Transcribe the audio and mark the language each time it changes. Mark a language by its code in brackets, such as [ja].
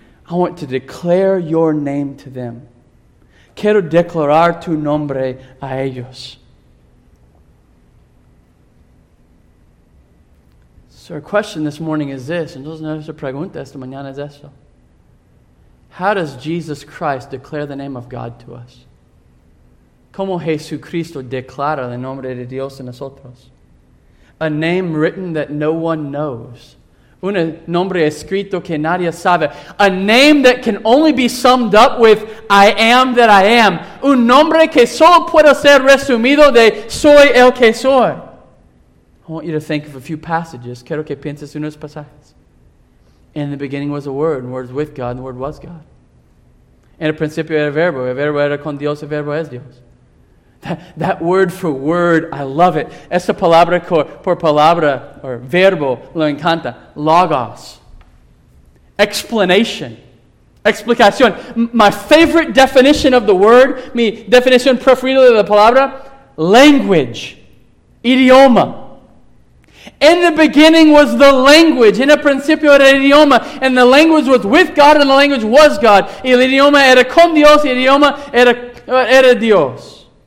[en] I want to declare your name to them. [es] Quiero declarar tu nombre a ellos. [en] So our question this morning is this. [es] Entonces nuestra pregunta esta mañana es esto. [en] How does Jesus Christ declare the name of God to us? [es] ¿Cómo Jesucristo declara el nombre de Dios en nosotros? [en] A name written that no one knows. [es] Un nombre escrito que nadie sabe. [en] A name that can only be summed up with, I am that I am. [es] Un nombre que solo puede ser resumido de, soy el que soy. [en] I want you to think of a few passages. [es] Quiero que pienses unos pasajes. [en] In the beginning was the Word, and the Word was with God, and the Word was God. [es] En el principio era verbo, el verbo era con Dios, el verbo es Dios. [en] That word for word, I love it. [es] Esa palabra por palabra, or verbo, lo encanta. [en] Logos. Explanation. [es] Explicación. [en] My favorite definition of the word, [es] mi definición preferida de la palabra, language. Idioma. [en] In the beginning was the language. [es] En el principio era el idioma. [en] And the language was with God, and the language was God. [es] Y el idioma era con Dios, y el idioma era Dios.